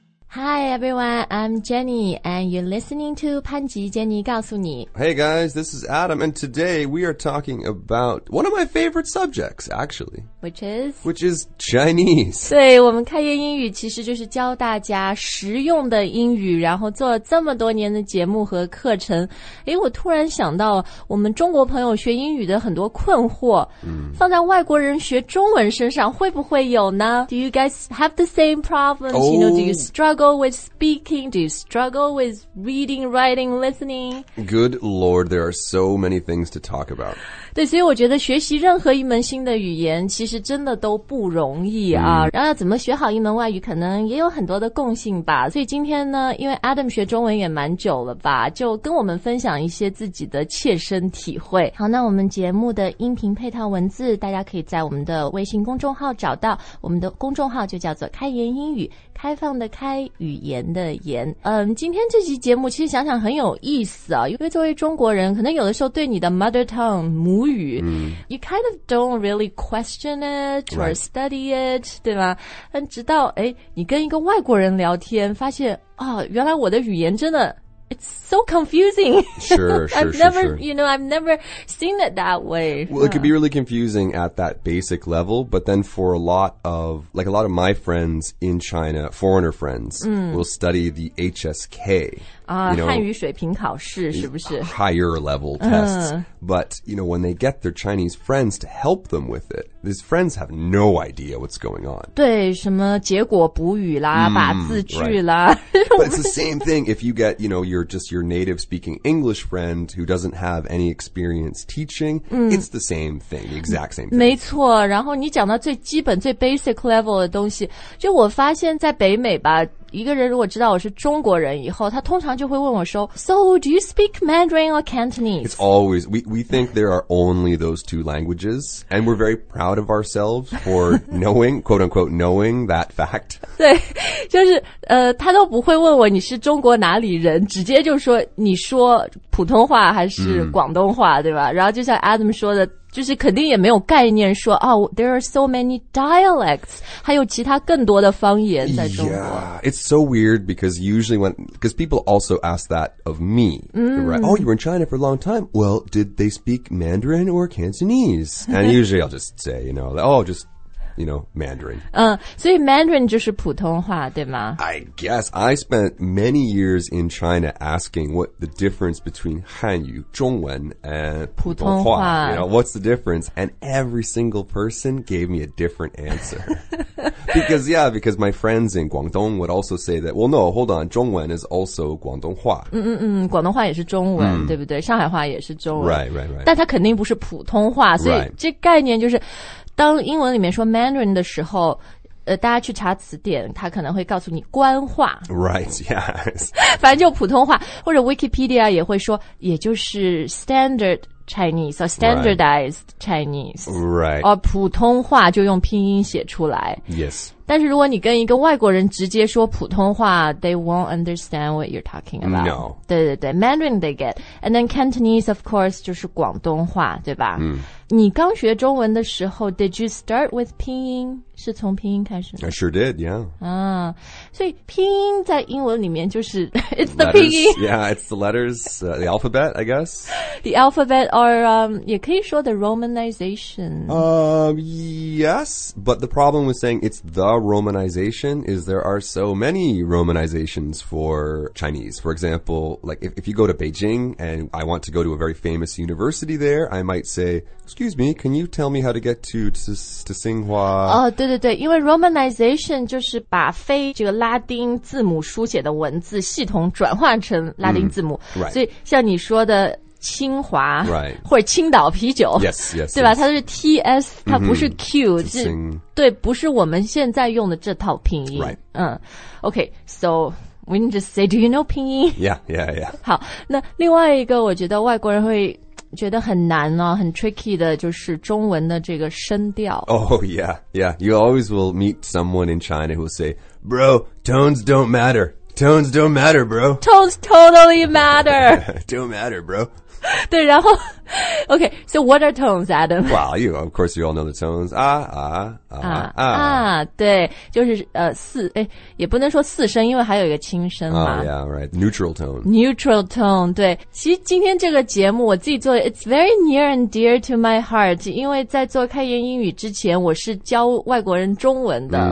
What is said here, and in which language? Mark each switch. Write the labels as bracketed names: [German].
[English] Hi everyone, I'm Jenny, and you're listening to 潘吉 Jenny 告诉你 Hey guys, this is Adam, and today we are talking about one of my favorite subjects, actually. Which is Chinese. [Chinese] 对，我们开言英语其实就是教大家实用的英语，然后做了这么多年的节目和课程。诶，我突然想到我们中国朋友学英语的很多困惑、放在外国人学中文身上会不会有呢 [English] Do you guys have the same problems?、 Oh. You know, do you struggle with speaking? Do you struggle with reading, writing, listening? Good lord, there are so many things to talk about. [Chinese] 对，所以我觉得学习任何一门新的语言其实真的都不容易啊、然后怎么学好一门外语可能也有很多的共性吧所以今天呢因为 Adam 学中文也蛮久了吧就跟我们分享一些自己的切身体会好那我们节目的音频配套文字大家可以在我们的微信公众号找到我们的公众号就叫做开言英语开放的开语言的言嗯，今天这期节目其实想想很有意思啊因为作为中国人可能有的时候对你的 mother tongue 母语、 [English] you kind of don't really question it or study it、 right. [Chinese] 对吗但直到诶你跟一个外国人聊天发现、哦、原来我的语言真的 [English] it's so confusing sure I've never you know I've never seen it that way well it could be really confusing at that basic level but then for a lot of my friends in China foreigner friends、will study the HSK、 [Chinese] 汉语水平考试是不是 [English] higher level tests、but you know when they get their Chinese friends to help them with it these friends have no idea what's going on [Chinese] 对什么结果补语啦把字句啦、 [English] but it's the same thing if you get you know you're just your native speaking English friend who doesn't have any experience teaching、it's the same thing the exact same thing [Chinese] 没错然后你讲到最基本最 [English] basic level [Chinese] 的东西就我发现在北美吧一个人如果知道我是中国人以后他通常就会问我说 [English] So do you speak Mandarin or Cantonese? It's always we think there are only those two languages and we're very proud of ourselves for knowing quote unquote knowing that fact 对就是他都不会问我你是中国哪里人直接就说你说普通话还是广东话、对吧然后就像 Adam 说的就是肯定也没有概念说、 There are so many dialects 还有其他更多的方言在中国 Yeah, it's so weird because usually when Because people also ask that of me、right? Oh, you were in China for a long time Well, did they speak Mandarin or Cantonese? And usually I'll just say, you know, oh, justYou know, Mandarin. [Chinese] 所以 Mandarin 就是普通话对吗 [English] I guess. I spent many years in China asking what the difference between 汉语中文 and [Chinese] 普通话 [English] You know, what's the difference? And every single person gave me a different answer. because my friends in Guangdong would also say that, well, no, hold on, 中文 is also 广东话。 [Chinese] 广东话也是中文、对不对上海话也是中文。 [English] Right. [Chinese] 但它肯定不是普通话所以这概念就是当英文里面说 Mandarin 的时候大家去查词典它可能会告诉你官话 [English] Right, yes [Chinese] 反正就普通话或者 Wikipedia 也会说也就是 [English] Standard Chinese or Standardized Chinese Right [Chinese] 而普通话就用拼音写出来 [English] Yes [Chinese] 但是如果你跟一个外国人直接说普通话 [English] They won't understand what you're talking about No [Chinese] 对对对 [English] Mandarin they get And then Cantonese of course [Chinese] 就是广东话对吧嗯你刚学中文的时候 , [English] did you start with [Chinese] 拼音? 是从拼音开始 [English] 吗? I sure did, yeah. [Chinese] 所以拼音在英文里面就是 [English] it's letters, the 拼音。 Yeah, it's the letters, the alphabet, I guess. The alphabet or, [Chinese] 也可以说 [English] the romanization. Yes, but the problem with saying it's the romanization is there are so many romanizations for Chinese. For example, like if you go to Beijing and I want to go to a very famous university there, I might say,Excuse me, can you tell me how to get to Tsinghua? [Chinese] 对对对，因为 romanization 就是把非这个拉丁字母书写的文字系统转换成拉丁字母。 [English] Right. [Chinese] 所以像你说的清华、 [English] right. [Chinese] 或者青岛啤酒 [English] yes, yes, [Chinese] 对吧 [English] yes. [Chinese] 它是 TS, 它不是 Q,、是对不是我们现在用的这套拼音。 [English] Right. Okay, so... We can just say, do you know 拼音? Yeah. [Chinese] 好，那另外一个我觉得外国人会觉得很难哦，很 tricky 的就是中文的这个声调。 [English] Oh, yeah, yeah. You always will meet someone in China who will say, bro, tones don't matter. Tones don't matter, bro. Tones totally matter. don't matter, bro. 对，然后 OK, so what are tones, Adam? Well, you, of course, you all know the tones. Ah, ah, ah, ah. [Chinese] Ah, 对，就是四，也不能说四声，因为还有一个轻声嘛。 [English] Oh, yeah, right. Neutral tone. Neutral tone, [Chinese] 对。其实今天这个节目我自己做 [English] it's very near and dear to my heart, [Chinese] 因为在做开言英语之前我是教外国人中文的、